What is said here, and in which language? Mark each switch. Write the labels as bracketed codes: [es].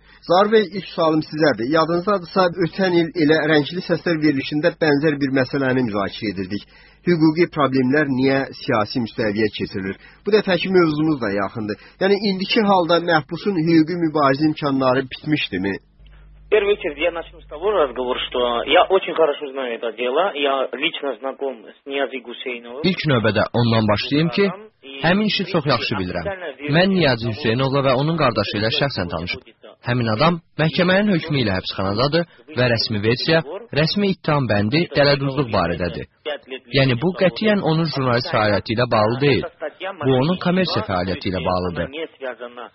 [az] Zarvey, üç sualım sizədir. Yadınızdadırsa, ötən il elə rəngli səslər verilişində bənzər bir məsələni müzakirə edirdik. Hüquqi problemlər niyə siyasi müstəviyyə keçirilir? Bu dəfəki mövzumuz da yaxındır. Yəni, indiki halda məhbusun hüquqi mübarizə imkanları bitmişdimi? [ru] Первый вечер я начал с того разговора, что я очень хорошо знаю это дело. Я лично знаком с Ниязи Гусейновым. [az] İlk növbədə ondan başlayım ki, həmin işi çox yaxşı bilirəm. Mən Niyazi Hüseynovla və onun qardaşı ilə şəxsən tanışım. Həmin adam məhkəmənin hökmü ilə həbsxanadadır və rəsmi versiya, rəsmi ittiham bəndi dələduzluq barədədir. Yəni bu qətiyyən onun jurnalist fəaliyyəti ilə bağlı deyil. Bu onun kommersiya fəaliyyəti ilə bağlıdır.